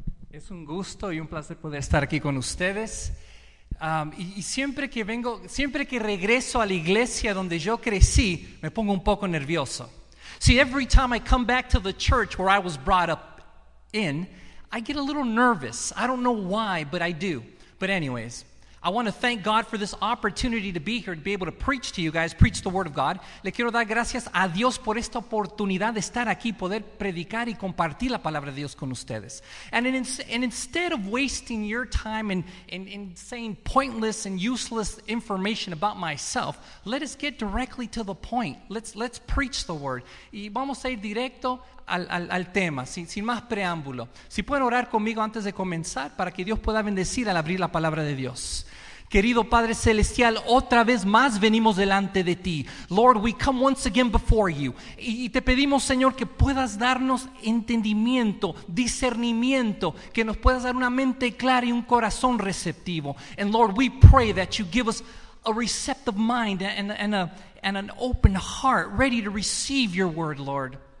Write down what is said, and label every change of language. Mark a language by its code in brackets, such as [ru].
[es] Es un gusto y un placer poder estar aquí con ustedes. Y siempre que vengo, siempre que regreso a la iglesia donde yo crecí, me pongo un poco nervioso. [en] See, every time I come back to the church where I was brought up in, I get a little nervous. I don't know why, but I do. But anyways, I want to thank God for this opportunity to be here, to be able to preach to you guys, preach the Word of God. [es] Le quiero dar gracias a Dios por esta oportunidad de estar aquí, poder predicar y compartir la palabra de Dios con ustedes. [en] And instead of wasting your time and saying pointless and useless information about myself, let us get directly to the point. Let's preach the Word. [es] Y vamos a ir directo al tema, sin más preámbulo. Si pueden orar conmigo antes de comenzar para que Dios pueda bendecir al abrir la palabra de Dios. Querido Padre Celestial, otra vez más venimos delante de ti. [en] Lord, we come once again before you. [es] Y te pedimos, Señor, que puedas darnos entendimiento, discernimiento, que nos puedas dar una mente clara y un corazón receptivo. [en] And Lord, we pray that you give us a receptive mind and an open heart, ready to receive your word, Lord.